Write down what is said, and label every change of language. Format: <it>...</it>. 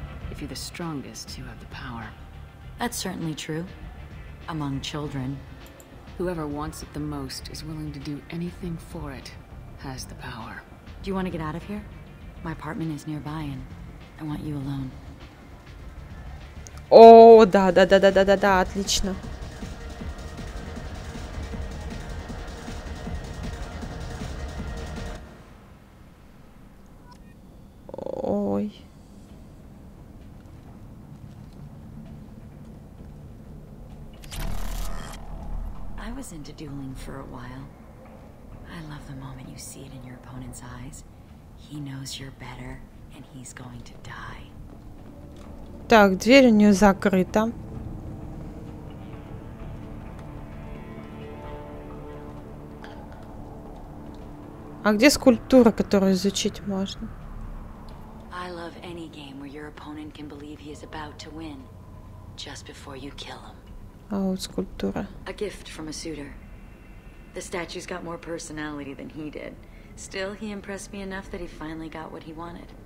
<en>If you're the strongest, you have the power. That's certainly true. Among children. Whoever wants it the most is willing to do anything for it has the power. Do you want to get out of here? My apartment is nearby and I want you alone.</en> <ru>О, да, да, да, да, да, да, да, отлично. Ой.</ru> <en>I was into dueling for a while. I love the moment you see it in your opponent's eyes. He knows you're better, and he's going to die.</en> <ru>Так, дверь у нее закрыта. А где скульптура, которую изучить можно?</ru> <en>I love any game where your opponent can believe he is about to win just before you kill him.</en> <ru>А вот скульптура.</ru> <en>A gift from a suitor. The statue's got more personality than he did. Still, he impressed me enough that he finally got what he wanted.</en>